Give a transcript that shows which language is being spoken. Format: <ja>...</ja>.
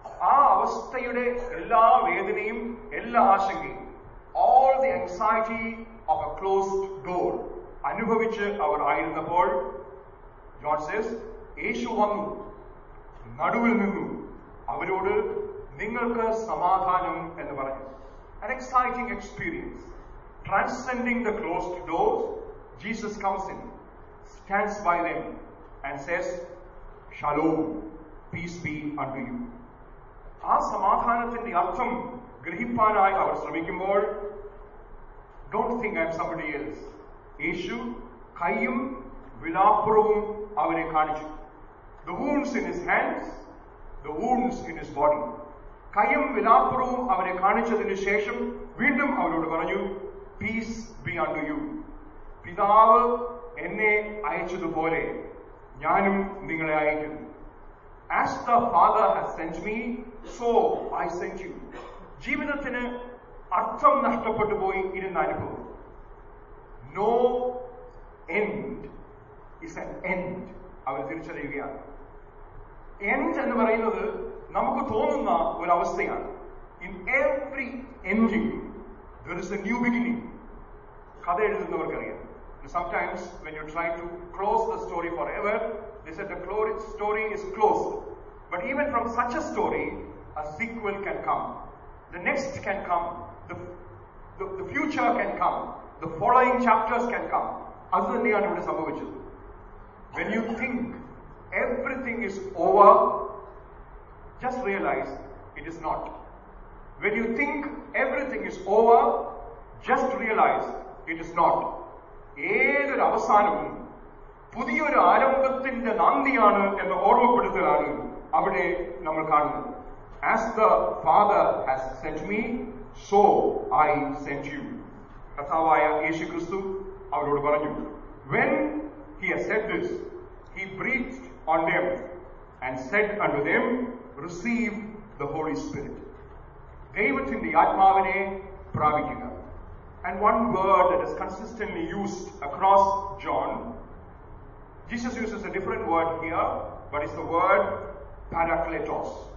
<ml>ആ അവസ്ഥയുടെ എല്ലാ വേദനയും എല്ലാ ആശങ്കയും</ml> <en>all the anxiety of a closed door</en> <ml>അനുഭവിച്ച് അവർ ആയിരുന്നപ്പോൾ</ml> <en>John says</en> <ml>യേശു വന്നു നടുവിൽ നിന്നു അവരോട് നിങ്ങൾക്ക് സമാധാനം എന്ന് പറഞ്ഞു.</ml> <en>An exciting experience. Transcending the closed doors, Jesus comes in, stands by them and says, Shalom, peace be unto you.</en> <ml>ആ സമാധാനത്തിന്റെ അർത്ഥം ഗ്രഹിപ്പാനായി അവർ ശ്രമിക്കുമ്പോൾ</ml> <en>Don't think I'm somebody else.</en> <ml>യേശു കൈയും വിലാപുറവും അവനെ കാണിച്ചു.</ml> <en>The wounds in his hands, the wounds in his body.</en> <ml>കയ്യും വിലാപുറവും അവനെ കാണിച്ചതിന് ശേഷം വീണ്ടും അവനോട് പറഞ്ഞു,</ml> <en>Peace be unto you.</en> <ml>പിതാവ് എന്നെ അയച്ചതുപോലെ ഞാനും നിങ്ങളെ അയക്കുന്നു.</ml> <en>As the Father has sent me, so I send you.</en> <ml>ജീവിതത്തിന് അർത്ഥം നഷ്ടപ്പെട്ടു പോയി ഇരുന്ന അനുഭവം.</ml> <en>No end is an end.</en> <ml>അവൻ തിരിച്ചറിയുകയാണ്. End എന്ന് പറയുന്നത് നമുക്ക് തോന്നുന്ന ഒരു അവസ്ഥയാണ്.</ml> <en>In every ending, there is a new beginning.</en> <ml>കഥ എഴുതുന്നവർക്കറിയാം.</ml> <en>Sometimes when you try to close the story forever, they said the story is closed. But even from such a story, a sequel can come. The next can come. The future can come. The following chapters can come.</en> <ml>Adhaniyan ivide sambhavichu.</ml> <en>When you think everything is over, just realize it is not. When you think everything is over, just realize it is not.</en> <ml>ഏതൊരു അവസാനവും പുതിയൊരു ആരംഭത്തിന്റെ നന്ദിയാണ് എന്ന് ഓർമ്മപ്പെടുത്തലാണ് അവിടെ നമ്മൾ കാണുന്നത്.</ml> <en>As the Father has sent me, so I send you.</en> <ml>കർത്താവായ യേശു ക്രിസ്തു അവരോട് പറഞ്ഞു.</ml> <en>When he has said this, he breathed on them and said unto them, receive the Holy Spirit.</en> <ml>ദൈവത്തിന്റെ ആത്മാവിനെ പ്രാപിക്കുക.</ml> <en>And one word that is consistently used across John, Jesus uses a different word here, but it's the word parakletos.</en>